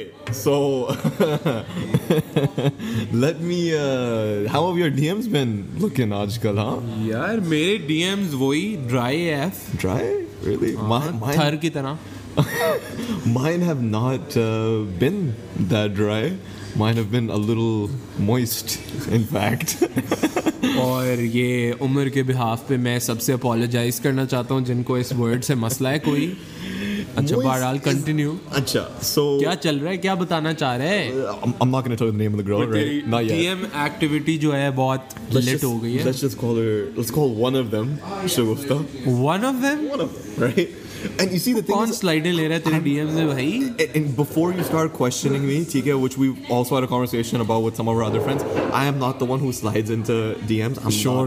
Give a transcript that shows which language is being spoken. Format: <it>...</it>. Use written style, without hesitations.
<en>So, let me, how have your DMs been looking</en> <ur>aaj kal,</ur> <en>huh?</en> <ur>Yaar, mere DMs wohi dry AF.</ur> <en>Dry? Really?</en> <ur>Mine, thar ki tarah.</ur> <en>Mine have not been that dry. Mine have been a little moist, in fact.</en> <ur>اور یہ عمر کے بحاف پہ میں سب سے apologise کرنا چاہتا ہوں جن کو اس ورڈ سے مسئلہ ہے کوئی. اچھا بہرحال کنٹینیو. اچھا سو کیا چل رہا ہے, کیا بتانا چاہ رہے ہیں؟</ur> <en>I'm not gonna tell the name of the girl, right? Not yet.</en> <ur>DM activity جو ہے بہت لٹ ہو گئی ہے.</ur> <en>Let's just call one of them. Shugufta. One of them? One of them, right? And you see, the thing is,</en> <ur>sliding le raha tere DMs mein bhai.</ur> <en>And before you start questioning me,</en> <ur>theek hai,</ur> <en>which we also had a conversation about with some of our other friends, I am not the one who slides into DMs. I'm sure,</en>